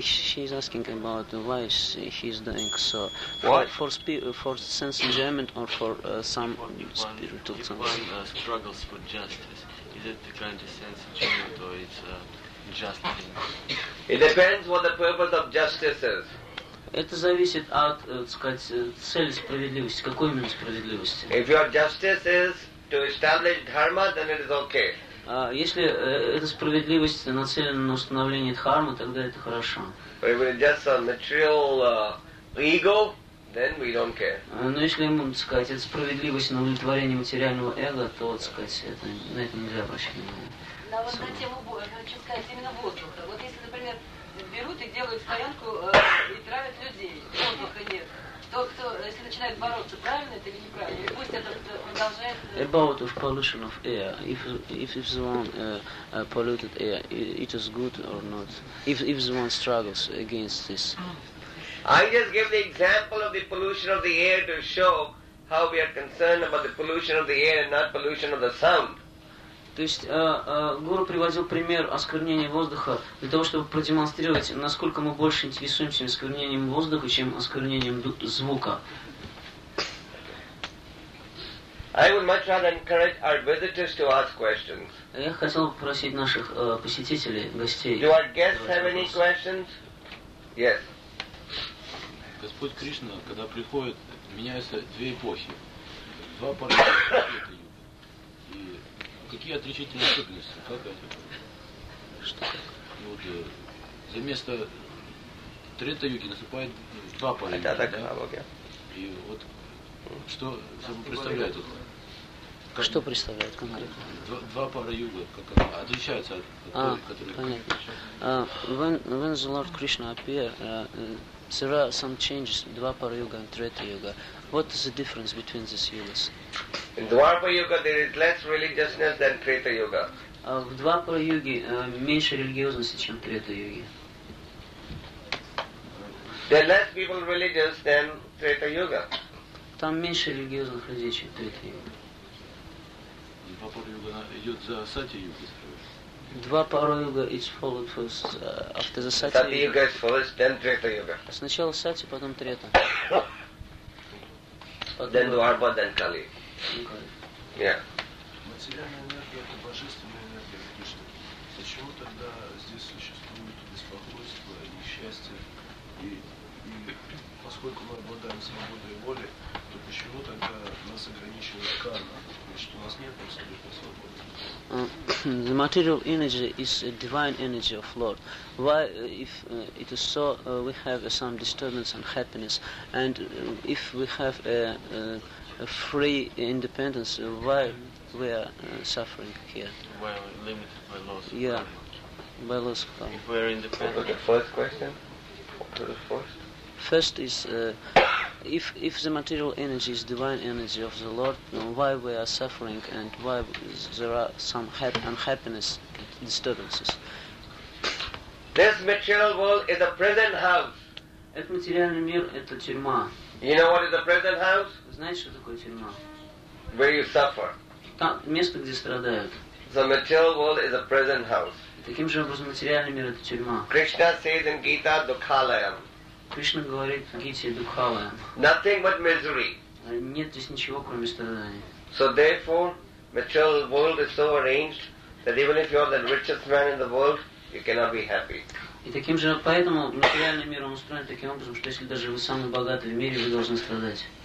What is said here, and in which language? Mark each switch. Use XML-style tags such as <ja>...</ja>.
<en>She is asking about why he is doing so. What? For sense enjoyment or for some if spiritual one, sense? If one struggles for justice, is it the kind of sense enjoyment or it's just thing? It depends what the purpose of justice is.</en> <ru>Это зависит от, так сказать, цели справедливости. Какой именно справедливости?</ru> <en>If your justice is to establish dharma, then it is okay.</en> <ru>Если эта справедливость нацелена на установление дхармы, тогда это хорошо.</ru> <en>But if it is just a material ego, then we don't care.</en> <ru>Но если ему, так сказать, это справедливость на удовлетворение материального эго, то, так сказать, на это нельзя обращать внимание. Но вот на тему, хочу сказать, именно воздуха. Вот если, например, берут и делают стоянку и травят людей, воздуха нет. То, кто, если начинает бороться, правильно это или неправильно, или пусть это продолжает...</ru> <en>About of pollution of air. If someone polluted air, it is good or not? If someone struggles against this? I just give the example of the pollution of the air to show how we are concerned about the pollution of the air and not pollution of the sound.</en> <ru>То есть Гуру приводил пример осквернения воздуха для того, чтобы продемонстрировать, насколько мы больше интересуемся осквернением воздуха, чем осквернением звука.</ru> <en>I would much rather encourage our visitors to ask questions.</en> <ru>Я хотел попросить наших посетителей, гостей.</ru> <en>Do our guests have any questions? Yes.</en> <ru>Господь Кришна, когда приходит, меняются две эпохи. Два параллельных света юга. И какие отличительные особенности? Как они? Что? Ну, вот, за место трета юги наступает два параллельных. Это такая аналогия. И вот что собой представляет это? Как, что представляет конкретно? Два пары юга, как они отличаются от той, которые... Понятно.</ru> <en>When the Lord Krishna appeared, there are some changes, Dvapara Yuga and Treta Yuga. What is the difference between these yugas? In Dvapara Yuga there is less religiousness than Treta Yuga.</en> <ru>В Dvapara Yuga меньше религиозности, чем в Treta Yuga.</ru> <en>There are less people religious than Treta Yuga.</en> <ru>Там меньше религиозных людей, чем в Treta Yuga. Dvapara Yuga идет за Сати Yuga.</ru> <en>Dvapara Yuga is followed first, after the Sati Yuga. Sati Yuga is followed, then Treta Yuga.</en> <ru>Сначала Сати, потом Трета.</ru> <en>Then Dvapara, then Kali. Okay. Yeah.</en> <ru>Материальная энергия – это божественная энергия, Кришна. Почему тогда здесь существует беспокойство и счастье? И поскольку мы обладаем свободой воли, то почему тогда нас ограничивает карма? Значит, у нас нет абсолютно свободы.</ru> <en>The material energy is a divine energy of Lord. Why, if it is so, we have some disturbance and happiness, and if we have a free independence, why we are suffering here? Why are we limited by laws? Yeah, by laws of karma. If we are independent. What's the first question? First is, if the material energy is divine energy of the Lord, why we are suffering and why there are some unhappiness disturbances? This material world is a prison house.</en> <ru>Этот материальный мир – это тюрьма.</ru> <en>You know what is a prison house?</en> <ru>Знаешь, что такое тюрьма?</ru> <en>Where you suffer.</en> <ru>Там место, где страдают.</ru> <en>The material world is a prison house.</en> <ru>Таким же образом, материальный мир – это тюрьма.</ru> <en>Krishna says in Gita, Dukhalayam.</en> <ru>Кришна говорит в Гите Дукхалаям.</ru> <en>Nothing but misery.</en> <ru>Нет здесь ничего, кроме страданий.</ru> <en>So therefore, material world is so arranged that even if you are the richest man in the world, you cannot be happy.</en> <ru>И таким же поэтому материальный мир он устроен таким образом, что если даже вы самый богатый в мире, вы должны страдать.</ru>